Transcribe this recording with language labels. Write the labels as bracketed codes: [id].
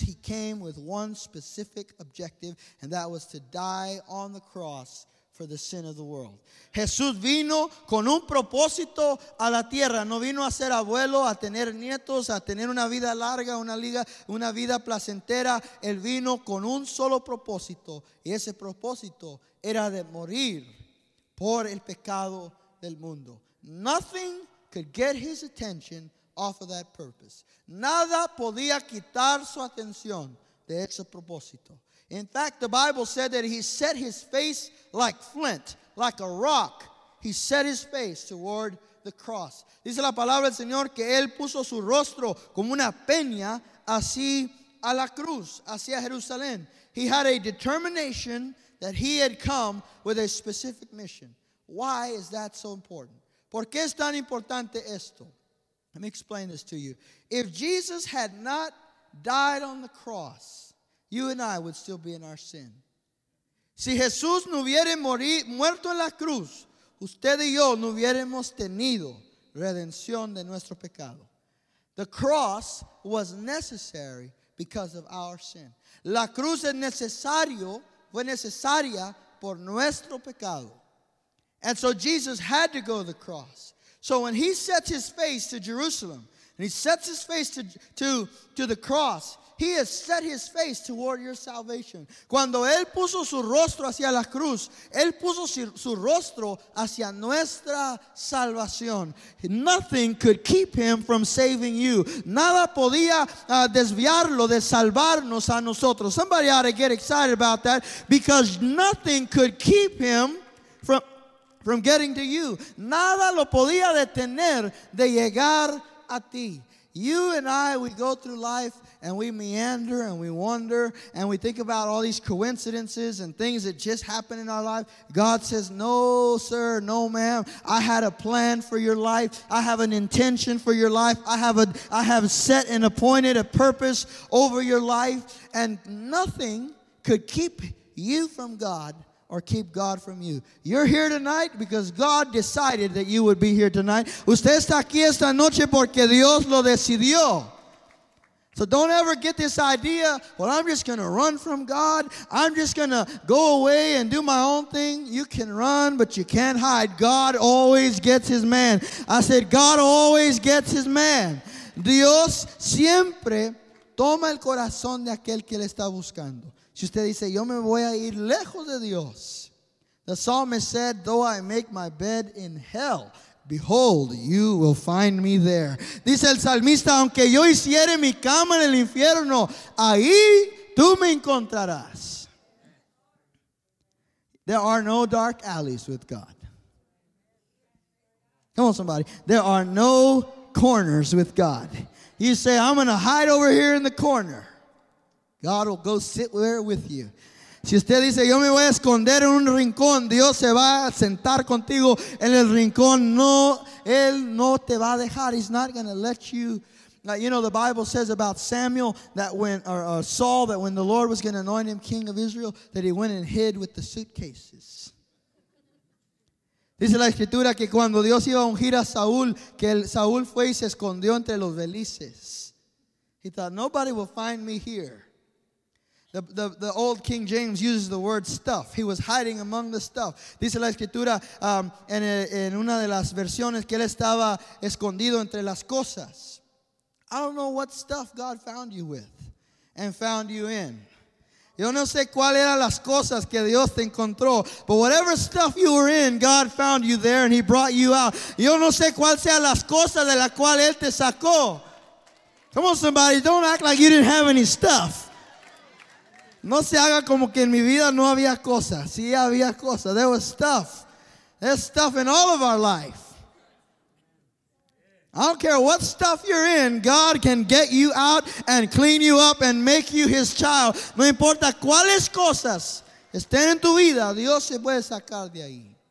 [en] He came with one specific objective, and that was to die on the cross for the sin of the world. [es] Jesús vino con un propósito a la tierra. No vino a ser abuelo, a tener nietos, a tener una vida larga, una vida placentera. Él vino con un solo propósito, y ese propósito era de morir por el pecado del mundo. [en] Nothing could get his attention off of that purpose. [es] Nada podía quitar su atención de ese propósito. [en] In fact, the Bible said that he set his face like flint, like a rock. He set his face toward the cross. [es] Dice la palabra del Señor que él puso su rostro como una peña hacia a la cruz, hacia Jerusalén. [en] He had a determination that he had come with a specific mission. Why is that so important? [es] ¿Por qué es tan importante esto? [en] Let me explain this to you. If Jesus had not died on the cross, you and I would still be in our sin. [es] Si Jesús no hubiera muerto en la cruz, usted y yo no hubiéramos tenido redención de nuestro pecado. [en] The cross was necessary because of our sin. [es] La cruz es necesario, fue necesaria por nuestro pecado. [en] And so Jesus had to go to the cross. So when he sets his face to Jerusalem, and he sets his face to the cross, he has set his face toward your salvation. [es] Cuando él puso su rostro hacia la cruz, él puso su rostro hacia nuestra salvación. [en] Nothing could keep him from saving you. [es] Nada podía desviarlo de salvarnos a nosotros. [en] Somebody ought to get excited about that, because nothing could keep him from getting to you. [es] Nada lo podía detener de llegar a ti. [en] You and I, we go through life and we meander and we wonder and we think about all these coincidences and things that just happen in our life. God says, no, sir, no, ma'am. I had a plan for your life. I have an intention for your life. I have set and appointed a purpose over your life. And nothing could keep you from God or keep God from you. You're here tonight because God decided that you would be here tonight. [es] Usted está aquí esta noche porque Dios lo decidió. [en] So don't ever get this idea, well, I'm just going to run from God. I'm just going to go away and do my own thing. You can run, but you can't hide. God always gets his man. I said, God always gets his man. [es] Dios siempre toma el corazón de aquel que le está buscando. Si usted dice, yo me voy a ir lejos de Dios. [en] The psalmist said, though I make my bed in hell, behold, you will find me there. [es] Dice el salmista, aunque yo hiciere mi cama en el infierno, ahí tú me encontrarás. [en] There are no dark alleys with God. Come on, somebody. There are no corners with God. You say, I'm going to hide over here in the corner. God will go sit there with you. [es] Si usted dice, yo me voy a esconder en un rincón, Dios se va a sentar contigo en el rincón. No, Él no te va a dejar. [en] He's not going to let you. Now, you know, the Bible says about Samuel, that when Saul, that when the Lord was going to anoint him king of Israel, that he went and hid with the suitcases. [es] Dice la Escritura que cuando Dios iba a ungir a Saúl, que el Saúl fue y se escondió entre los velices. [en] He thought, nobody will find me here. The old King James uses the word stuff. He was hiding among the stuff. [es] Dice la Escritura en una de las versiones que él estaba escondido entre las cosas. [en] I don't know what stuff God found you with and found you in. [es] Yo no sé cuáles eran las cosas que Dios te encontró. [en] But whatever stuff you were in, God found you there and he brought you out. [es] Yo no sé cuáles sean las cosas de las cuales él te sacó. [en] Come on, somebody. Don't act like you didn't have any stuff. [es] No se haga como que en mi vida no había cosas. Sí había cosas. [en] There was stuff. There's stuff in all of our life. I don't care what stuff you're in, God can get you out and clean you up and make you his child. [es] No importa cuáles cosas estén en tu vida, Dios se puede sacar de ahí.